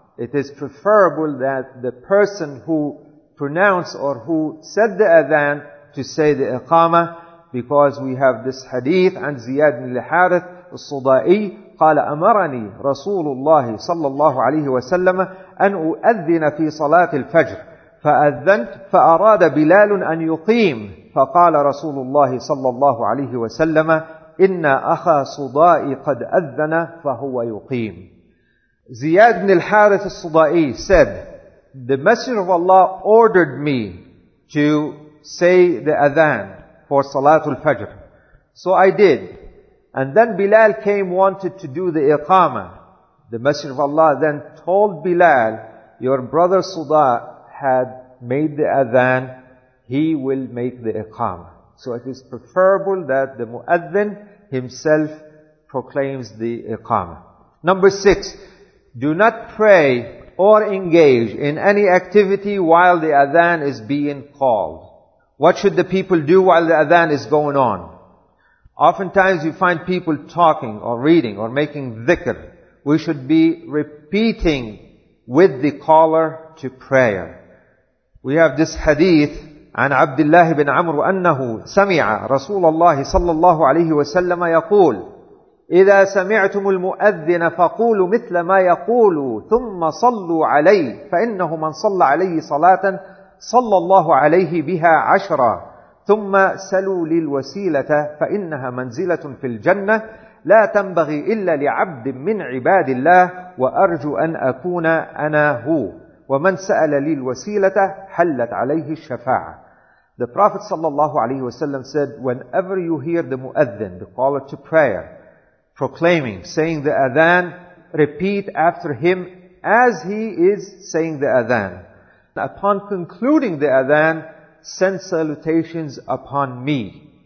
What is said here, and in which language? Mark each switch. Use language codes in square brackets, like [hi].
[en] It is preferable that the person who pronounced or who said the Adhan to say the Iqama, because we have this hadith [ar] عن زياد بن الحارث الصدائي قال أمرني رسول الله صلى الله عليه وسلم أن أؤذن في صلاة الفجر فأذنت فأراد بلال أن يقيم فقال رسول الله صلى الله عليه وسلم إِنَّ أَخَى صُدَائِ قَدْ أَذَّنَ فَهُوَ يُقِيمُ. [en] Ziyad ibn al-Harith al-Sudai said, the Messenger of Allah ordered me to say the adhan for Salatul Fajr. So I did. And then Bilal came, wanted to do the iqama. The Messenger of Allah then told Bilal, your brother Suda had made the adhan, he will make the iqama. So it is preferable that the muadhin himself proclaims the iqama. Number 6, do not pray or engage in any activity while the adhan is being called. What should the people do while the adhan is going on? Oftentimes you find people talking or reading or making dhikr. We should be repeating with the caller to prayer. We have this hadith, [ar] عن عبد الله بن عمر أنه سمع رسول الله صلى الله عليه وسلم يقول إذا سمعتم المؤذن فقولوا مثل ما يقول ثم صلوا عليه فإنه من صلى عليه صلاة صلى الله عليه بها عشرة ثم سلوا للوسيلة فإنها منزلة في الجنة لا تنبغي إلا لعبد من عباد الله وأرجو أن أكون أنا هو ومن سأل للوسيلة حلت عليه الشفاعة. [en] The Prophet sallallahu alaihi wasallam said, whenever you hear the muadhin, the caller to prayer, proclaiming, saying the adhan, repeat after him as he is saying the adhan. Upon concluding the adhan, send salutations upon me.